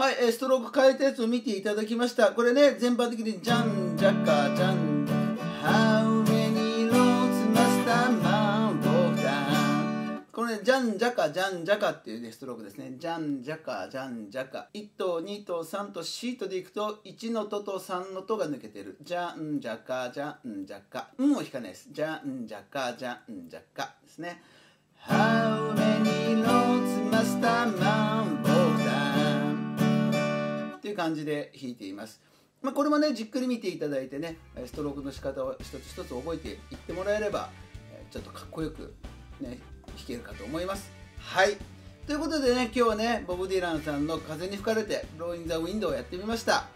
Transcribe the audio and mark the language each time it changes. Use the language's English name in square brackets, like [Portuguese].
[Japanese] ストローク変えたやつを見ていただきました。これね、全般的にジャンジャッカージャン。 [English] How many roads must a man walk down? [Japanese] このね、ジャンジャカジャンジャカっていう、ね、ストロークですね。ジャンジャカジャンジャカ。 1と2と3と C とでいくと1のとと3のとが抜けてる。ジャンジャカジャンジャカ。うんを弾かないです。ジャンジャカジャンジャカですね。 [English] How many roads must a man walk down? [Japanese] という感じで弾いています。これもね、じっくり見ていただいてね、ストロークの仕方を一つ一つ覚えていってもらえれば、ちょっとかっこよくね、弾けるかと思います。はい、ということでね、今日はね、ボブ・ディランさんの風に吹かれてローイン・ザ・ウィンドをやってみました。